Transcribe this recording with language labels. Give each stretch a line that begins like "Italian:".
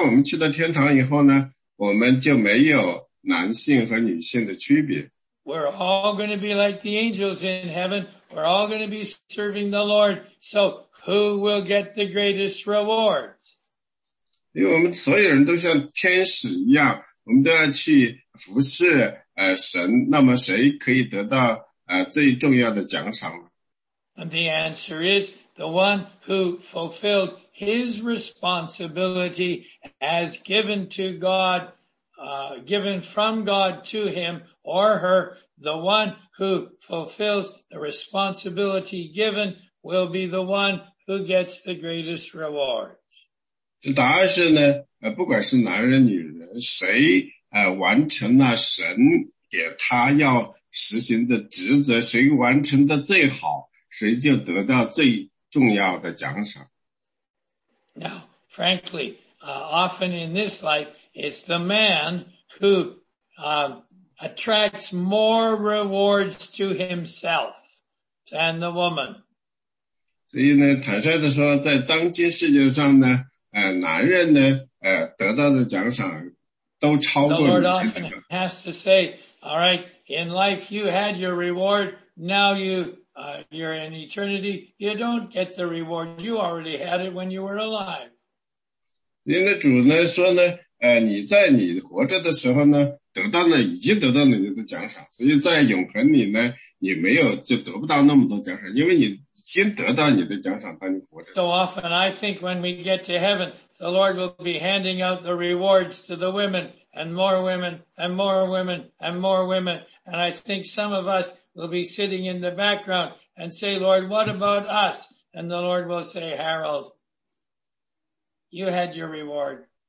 Chinese: 主耶稣基督说,当我们去到天堂以后呢, 我们就没有男性和女性的区别。
English: We're all going to be like the angels in heaven. We're all going to be serving the Lord. So who will get the greatest rewards?
Chinese: 因为我们所有人都像天使一样,我们都要去服侍神,那么谁可以得到 最重要的奖赏。
English: And the answer is the one who fulfilled his responsibility as given to God, given from God to him or her, the one who fulfills the responsibility given will be the one who gets the greatest rewards.
Chinese: 答案是呢, 不管是男人女人, 谁, 完成了神, 给他要实行的职责, 谁完成的最好, 谁就得到最重要的奖赏。
English: Now, frankly, often in this life, it's the man who attracts more rewards to himself than the woman.
Chinese: 所以呢, 坦率地说, 在当今世界上呢, 男人呢, 得到的奖赏,
English: The Lord often has to say, all right, in life you had your reward, now you, you're in eternity, you don't get the reward, you already had it when you were alive.
Chinese: 因为主呢说呢, 你在你活着的时候呢, 得到了已经得到了你的奖赏, 所以在永恒里呢, 你没有就得不到那么多奖赏, 因为你先得到你的奖赏, 当你活着。
English: So often I think when we get to heaven, the Lord will be handing out the rewards to the women, and more women, and more women, and more women. And I think some of us will be sitting in the background and say, Lord, what about us? And the Lord will say, Harold, you had your reward.